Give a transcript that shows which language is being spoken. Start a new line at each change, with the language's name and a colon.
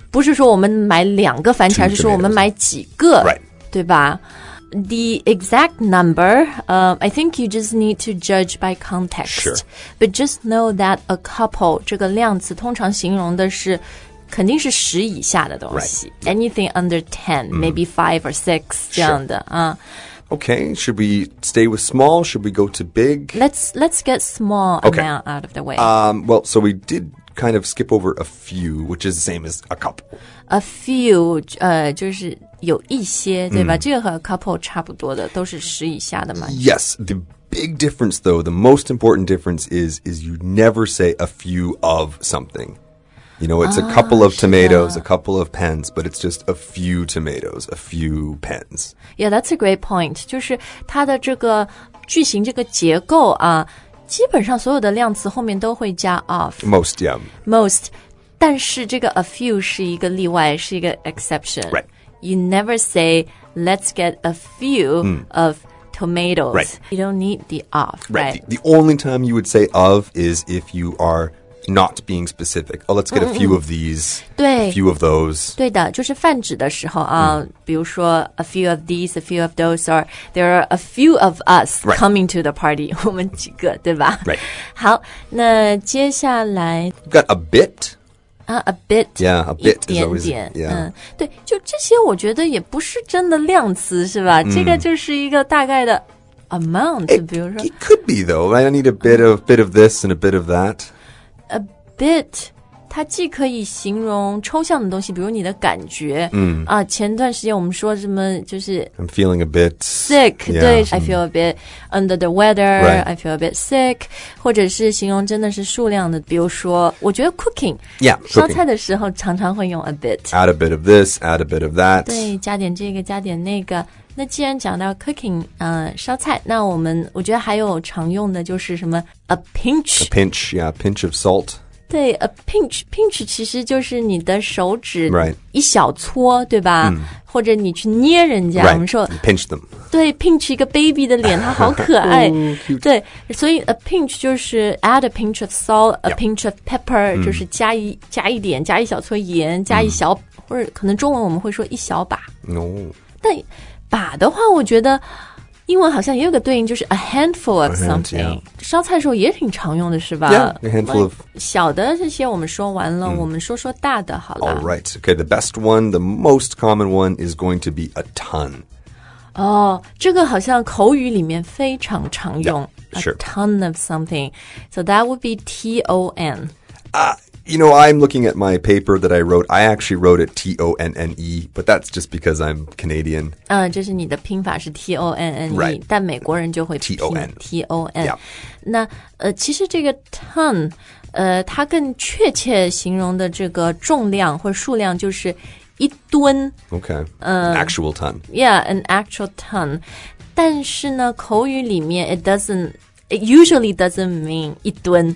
Chinese: 不是说我们买两个番茄，是说我们买几个。
English: Right.
Chinese: 对吧？
English: The exact number, I think you just need to judge by context. Sure. But just know that a couple,
Chinese: 这个量词通常形容的是肯定是十以下的东西。
English: Right. Anything under 10, maybe 5 or 6,
Chinese: 这样的。
English: Sure. Okay, should we stay with small? Should we go to big? Let's get small amount out of the way. Well, so we did kind of skip over a few, which is the same as a couple.
Chinese: A few, 就是有一些，对吧？这个和 couple 差不多的，都是十以下的嘛。
English: Yes, the big difference though, the most important difference is you never say a few of something. You know, it's a couple of tomatoes, a couple of pens, but it's just a few tomatoes, a few pens. Yeah, that's a great point.
Chinese: 就是它的这个句型这个结构啊，基本上所有的量词后面都会加 of.
English: Most, yeah.
Chinese: Most, 但是这个 a few 是一个例外，是一个 exception.
English: Right. You never say, let's get a few of tomatoes. Right. You don't need the of, right? The only time you would say of is if you are... Not being specific. Oh, let's get a few of these. Mm-hmm. A few of those.
Chinese: 对的，就是泛指的时候啊，比如说 a few of these, a few of those,
English: or there are a few of us coming to the party.
Chinese: 我们几个，对吧？
English: Right.
Chinese: 好，那接下来
English: We've got a bit. A bit. Yeah, a bit.
Chinese: 一点点。
English: Yeah.
Chinese: 对，就这些，我觉得也不是真的量词，是吧？这个就是一个大概的 amount.
English: It could be though. Right? I need a bit of this and a bit of that.
Chinese: A bit, 它既可以形容抽象的东西，比如你的感觉。前段时间我们说什么就是
English: I'm feeling a bit sick, yeah, 对、I feel a bit under the weather,、 right. I feel a bit sick,
Chinese: 或者是形容真的是数量的，比如说我觉得 cooking,
English: yeah,
Chinese: 烧菜 cooking. 的时候常常会用 a bit.
English: Add a bit of this, add a bit of that.
Chinese: 对，加点这个，加点那个。那既然讲到 cooking, 烧菜，那我们我觉得还有常用的就是什么 a pinch.
English: A pinch, yeah, a pinch of salt.
Chinese: 对 a pinch, pinch 其实就是你的手指一小撮、
English: right.
Chinese: 对吧、或者你去捏人家、
English: right.
Chinese: 我们说
English: pinch them.
Chinese: 对 pinch 一个 baby 的脸它好可爱、对所以 a pinch 就是
English: add a pinch of salt,
Chinese: a、
English: yeah.
Chinese: pinch of pepper,、就是加一点加一小撮盐加一小、或者可能中文我们会说一小把。
English: No.
Chinese: 但把的话我觉得英文好像也有个对应就是 a handful of something.
English: A hand,、yeah.
Chinese: 烧菜的时候也挺常用的是吧
English: yeah, a handful of.
Chinese: 小的这些我们说完了、我们说说大的好了。
English: Alright, okay, the best one, the most common one is going to be a ton.
Chinese: 哦、oh, 这个好像口语里面非常常用。
English: Yeah, sure. A ton of something. So that would be T-O-N. You know, I'm looking at my paper that I wrote. I actually wrote it T-O-N-N-E, but that's just because I'm Canadian.
Chinese: 就是你的拼法是 T-O-N-N-E,、
English: right.
Chinese: 但美国人就会拼
English: T-O-N. T-O-N. Yeah.
Chinese: 那、其实这个 ton, 它更确切形容的这个重量或数量就是一吨。
English: Okay, an actual ton. Yeah, an actual ton. 但是呢口语里面 It usually doesn't mean 一吨